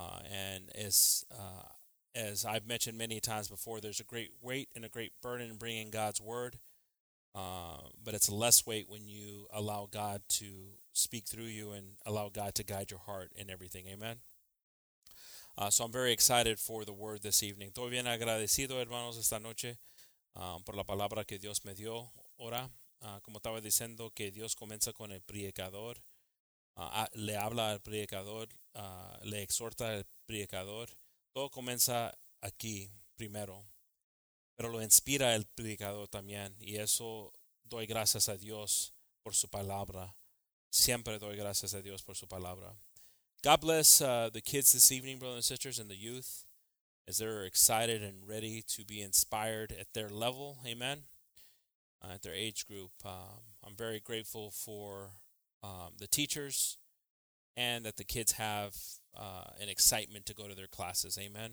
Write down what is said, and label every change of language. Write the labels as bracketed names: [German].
[English] And as I've mentioned many times before, there's a great weight and a great burden in bringing God's word, but it's less weight when you allow God to speak through you and allow God to guide your heart in everything. Amen. So I'm very excited for the word this evening. [Spanish] Estoy bien agradecido, hermanos, esta noche por la palabra que Dios me dio. Ahora, como estaba diciendo, que Dios comienza con el predicador, le habla al predicador, le exhorta al predicador. Todo comienza aquí primero, pero lo inspira el predicador también, y eso doy gracias a Dios por su palabra. Siempre doy gracias a Dios por su palabra. [English] God bless the kids this evening, brothers and sisters, and the youth, as they're excited and ready to be inspired at their level, amen, at their age group. I'm very grateful for the teachers and that the kids have an excitement to go to their classes, amen.